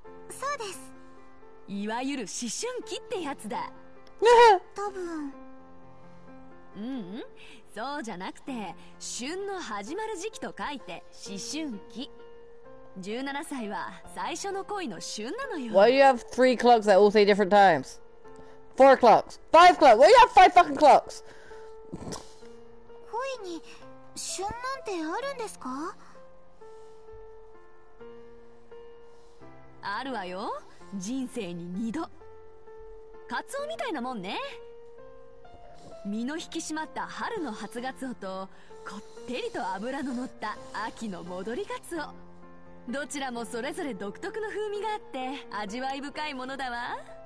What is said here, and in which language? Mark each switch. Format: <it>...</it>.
<ja>そうです、いわゆる思春期ってやつだ。多分。ううん、そうじゃなくて旬の始まる時期と書いて思春期。 17歳は最初の恋の旬なのよ。</ja> <en>Why do you have three clocks that all say different times? Four clocks? Five clocks? Why do you have five fucking clocks?</en> <ja>恋に旬なんてあるんですか。あるわよ、人生に2度。カツオみたいなもんね。身の引き締まった春の初ガツオとこってりと脂の乗った秋の戻りガツオ、どちらもそれぞれ独特の風味があって味わい深いものだわ。</ja>